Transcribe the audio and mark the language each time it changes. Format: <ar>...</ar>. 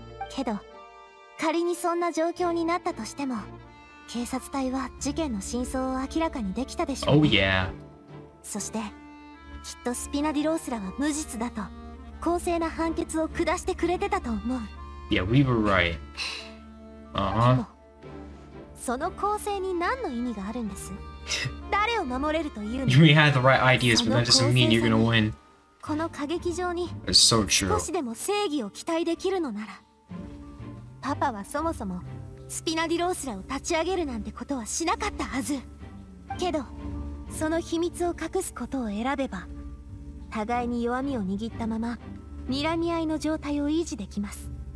<ja>けど仮にそんな状況になったとしても警察隊は事件の真相を明らかにできたでしょう、</ja> <en>ね。Oh, yeah.</en> <ja>そしてきっとスピナディロースらは無実だと公正な判決を下してくれてたと思う。</ja> <en>Yeah, we were right.</en> <ja>でもその公正に何の意味があるんです？誰を守れるという</ja> <en>の？ We had the right ideas, but that doesn't mean you're gonna win.</en> <ja>この歌劇場に少しでも正義を期待できるのなら、パパはそもそもスピナディロースらを立ち上げるなんてことはしなかったはず。けどその秘密を隠すことを選べば互いに弱みを握ったまま睨み合いの状態を維持できます。</ja>